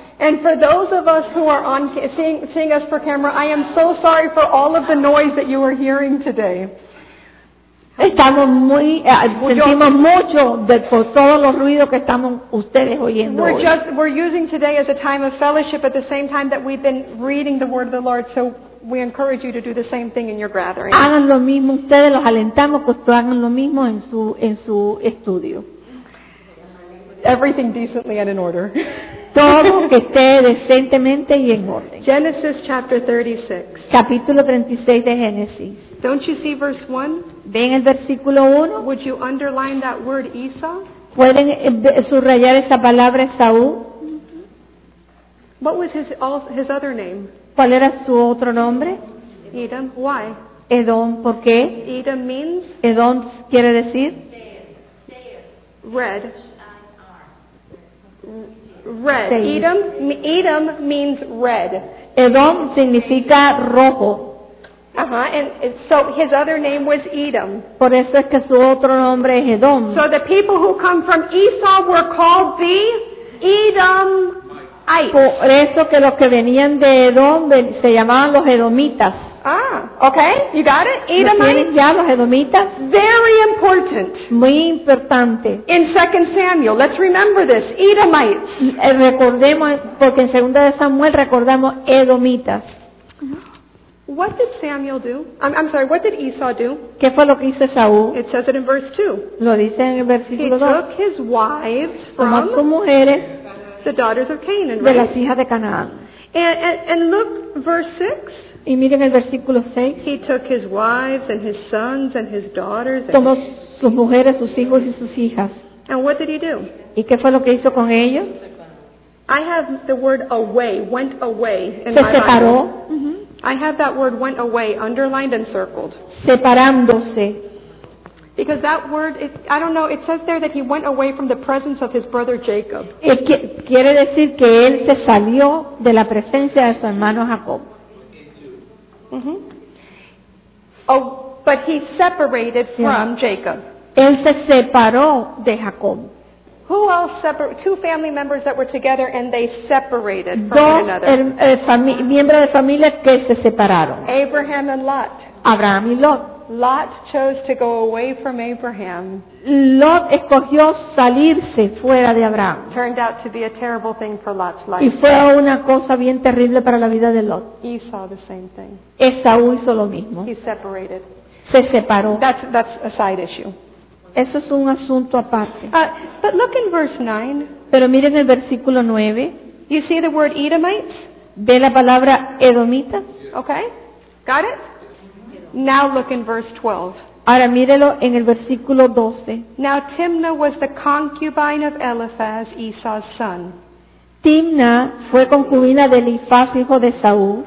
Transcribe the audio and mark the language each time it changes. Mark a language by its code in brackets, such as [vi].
[en] And for those of us who are on seeing us for camera, I am so sorry for all of the noise that you are hearing today. [es] Sentimos mucho de por todos los ruidos que estamos ustedes oyendo hoy. [en] We're using today as a time of fellowship at the same time that we've been reading the word of the Lord, so we encourage you to do the same thing in your gathering. [es] Hagan lo mismo ustedes, los alentamos que ustedes hagan lo mismo en su estudio. [en] Everything decently and in order. [es] Todo que esté decentemente y en orden. [en] Genesis chapter 36. [es] Capítulo 36 de Génesis. [en] Don't you see verse 1? [es] ¿Ven el versículo 1? [en] Would you underline that word Esau? [es] ¿Pueden subrayar esa palabra Esaú? [en] What was his other name? [es] ¿Cuál era su otro nombre? [en] Edom. Why? [es] Edom, ¿por qué? [en] Edom means? [es] Edom quiere decir? [en] Red. Red. Edom means red. [es] Edom significa rojo. Uh-huh. [en] And so his other name was Edom. [es] Por eso es que su otro nombre es Edom. [en] So the people who come from Esau were called the Edomites. [es] Por eso que los que venían de Edom se llamaban los Edomitas. [en] Ah, okay, you got it. Edomites. [es] ¿Ya los Edomitas? [en] Very important. [es] Muy importante. [en] In 2 Samuel, let's remember this. Edomites. [es] Recordemos porque en 2 de Samuel recordamos Edomitas. [en] What did Samuel do? I'm sorry. What did Esau do? [es] ¿Qué fue lo que hizo Esaú? [en] It says it in verse 2. [es] Lo dice en el versículo 2. [en] He took his wives from [es] sus mujeres, [en] the daughters of Canaan, right? [es] De las hijas de Canaán. [en] And look verse 6. [es] Y miren el versículo 6. [en] He took his wives and his sons and his daughters. [es] Tomó sus mujeres, sus hijos y sus hijas. [en] And what did he do? [es] ¿Y qué fue lo que hizo con ellos? [en] I have the word away, went away in [es] se separó. [en] My Bible. Mm-hmm. I have that word went away, underlined and circled. [es] Separándose. [en] Because that word, I don't know, it says there that he went away from the presence of his brother Jacob. [es] Quiere decir que él se salió de la presencia de su hermano Jacob. Mm-hmm. [en] Oh, but he separated from Jacob. [es] Él se separó de Jacob. [en] Who else separated? Two family members that were together and they separated from [es] dos, [en] one another. [es] Miembros de familia que se separaron. [en] Abraham and Lot. [es] Abraham y Lot. [en] Lot chose to go away from Abraham. [es] Lot escogió salirse fuera de Abraham. [en] Turned out to be a terrible thing for Lot's life. [es] Y fue una cosa bien terrible para la vida de Lot. [en] Esau the same thing. [es] Esaú hizo lo mismo. [en] He separated. [es] Se separó. [en] That's a side issue. [es] Eso es un asunto aparte. [en] But look in verse 9. [es] Pero miren el versículo 9. [en] You see the word Edomites? [es] ¿Ve la palabra Edomita? [en] Okay. Got it? Now look in verse 12. [es] Ahora mírelo en el versículo 12. [en] Now Timnah was the concubine of Eliphaz, Esau's son. [es] Timnah fue concubina de Eliphaz, hijo de Saúl.